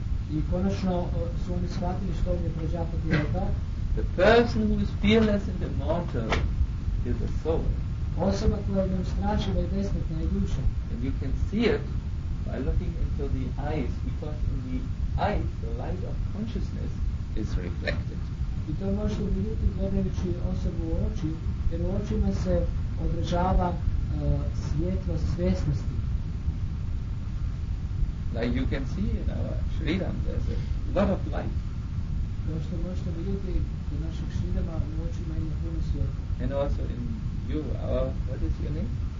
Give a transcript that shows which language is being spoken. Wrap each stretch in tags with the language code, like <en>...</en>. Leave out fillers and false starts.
<hr>I konačno su oni shvatili što je Prajapati rekao.</hr> <en>The person who is fearless and immortal is a soul.</en> <hr>Osoba koja je neustrašiva i besmrtna je duša.</hr> <en>And you can see it by looking into the eyes, because in the eyes the light of consciousness is reflected.</en> <hr>I to možete vidjeti gledajući osobu u oči, jer u očima se odražava svjetlost svjesnosti.</hr> <en>Like you can see in our Sri Ram, there's a lot of light.</en> <hr>Kao što možete vidjeti u našim Šridama, u očima ima puno svjetla.</hr> <en>And also in you, what is your name?</en>